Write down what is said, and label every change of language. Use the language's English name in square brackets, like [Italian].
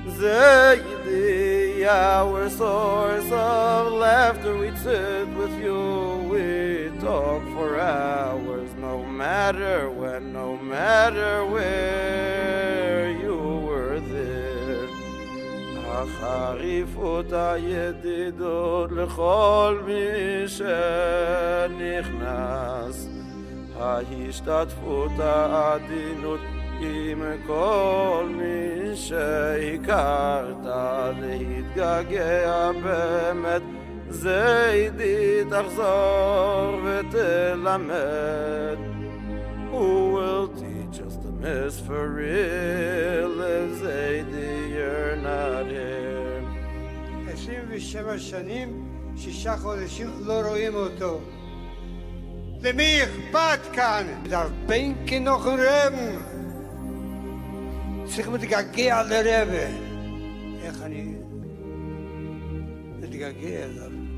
[English] Zeidy, our source of laughter, we'd sit with you, we'd talk for hours, no matter when, no matter where you were there. [Hebrew] החריפות הידידות לכל מי שנכנס, ההשתתפות העדינות עם כל מי שהכרת, להתגעגע באמת. זיידי, תחזור ותלמד. [English] Who will teach us to miss for real if Zeidy you're not here? [Hebrew] 27 שנים, 6 חודשים לא רואים אותו. למי אכפת כאן? לרבן כנוך רב. צריך להתגעגע לרב. איך אני להתגעגע אליו?